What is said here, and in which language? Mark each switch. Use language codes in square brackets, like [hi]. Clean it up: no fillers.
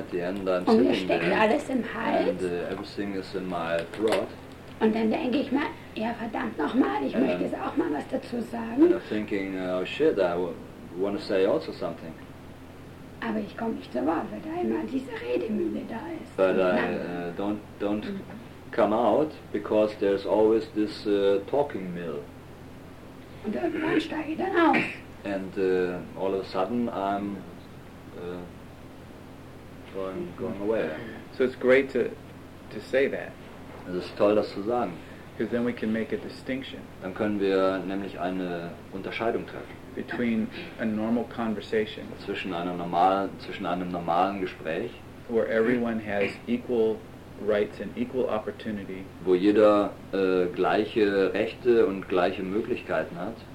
[en] Then at the end I'm [de] und mir steckt alles im Hals. [en] And everything is in my throat. [de] Und dann denke ich mir, ja verdammt nochmal, ich möchte jetzt auch mal was dazu sagen. [en] And I'm thinking, oh shit, I want to say also something. [de] Aber ich komme nicht zur Wahl, weil da immer diese Redemühle da ist. [en] But I don't mm-hmm. come out, because there's always this talking mill. [de] Und irgendwann steige ich dann auf. [en] And all of a sudden I'm going away. So it's great to say that. [de] Es ist toll, das zu sagen. [en] Because then we can make a distinction. [de] Dann können wir nämlich eine Unterscheidung treffen. [en] Between a normal conversation. [de] Zwischen einem normalen Gespräch. [en] Where everyone has equal rights and equal opportunity. [de] Wo jeder gleiche Rechte und gleiche Möglichkeiten hat.